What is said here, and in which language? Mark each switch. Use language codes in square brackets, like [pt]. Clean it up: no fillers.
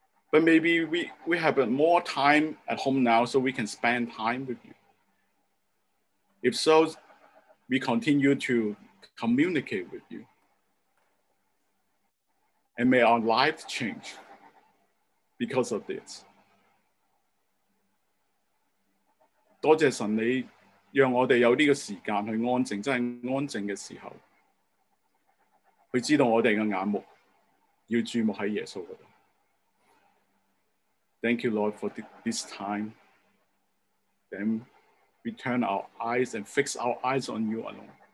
[en] But maybe we have more time at home now so we can spend time with you. If so, we continue to communicate with you. And may our life change because of this. [zh] 多谢神，你让我们有这个时间去安静，真是安静的时候，去知道我们的眼目要注目在耶稣那里。 [en] Thank you, Lord, for this time. Then we turn our eyes and fix our eyes on you alone.